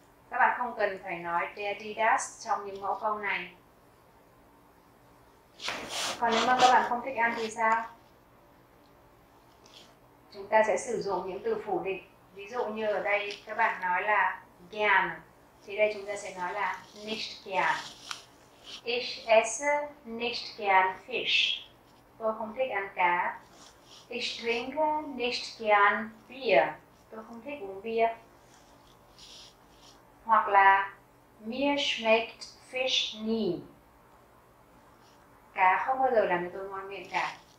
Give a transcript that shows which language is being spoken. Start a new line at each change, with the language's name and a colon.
Vietnamese: Các bạn không cần phải nói der, die, das trong những mẫu câu này. Còn nếu mà các bạn không thích ăn thì sao? Chúng ta sẽ sử dụng những từ phủ định. Ví dụ như ở đây các bạn nói là gern, thì đây chúng ta sẽ nói là nicht gern.
German: Ich esse nicht gern fish.
Vietnamese: Tôi không thích ăn cá.
German: Ich trinke nicht gern bier.
Vietnamese: Tôi không thích uống bia. Hoặc là
German: mir schmeckt fish nie.
Vietnamese: Cá không bao giờ làm cho tôi ngon miệng cả.